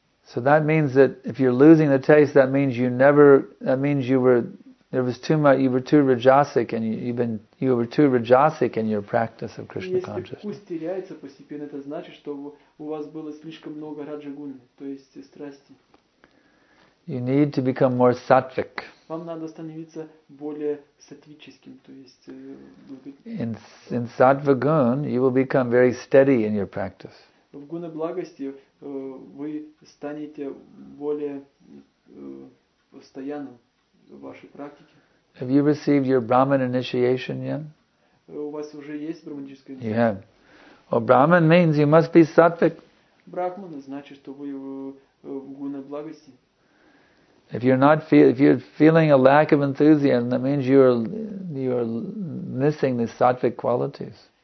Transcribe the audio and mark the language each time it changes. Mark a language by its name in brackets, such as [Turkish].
[English] So that means that if you're losing the taste, that means you never, that means you were, there was too much, you were too rajasic and you were too rajasic in your practice of Krishna consciousness. [Russian] Если вкус теряется постепенно, это значит, что у вас было слишком много раджа-гуны, то есть страсти. [English] You need to become more sattvic. [Russian] Вам надо становиться более сатвическим, то есть [English] In sattva gun, you will become very steady in your practice. [Russian] В гуне благости вы станете более постоянным в вашей практике. [English] Have you received your Brahman initiation yet? [Russian] У вас уже есть брахманическая инициация? [English] You have. Well, Brahman means you must be sattvic. [Russian] Брахман значит, что вы в гуне благости. [English] If you're not if you're feeling a lack of enthusiasm, that means you're missing the sattvic qualities.